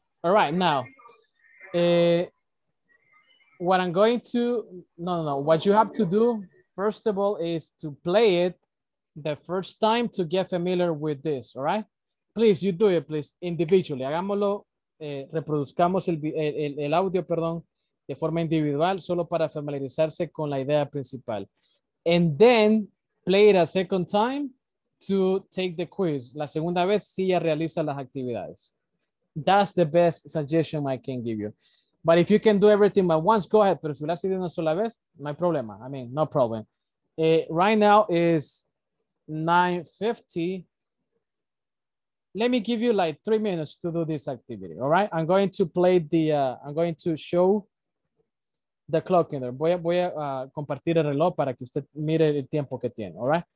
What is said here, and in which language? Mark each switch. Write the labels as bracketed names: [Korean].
[English] All right, now, what you have to do, first of all, is to play it the first time to get familiar with this, all right? Please, you do it, please, individually. [Spanish] Hagámoslo, reproduzcamos el audio, perdón, de forma individual, solo para familiarizarse con la idea principal. [English] And then play it a second time to take the quiz. [Spanish] La segunda vez, si ya realiza las actividades. [English] That's the best suggestion I can give you. But if you can do everything at once, go ahead. [Spanish] Pero si lo haces de una sola vez, no hay problema. [English] I mean, no problem. Right now is 9:50. Let me give you like 3 minutes to do this activity, all right? I'm going to play show the clock in there. [Spanish] Voy a compartir el reloj para que usted mire el tiempo que tiene, all right?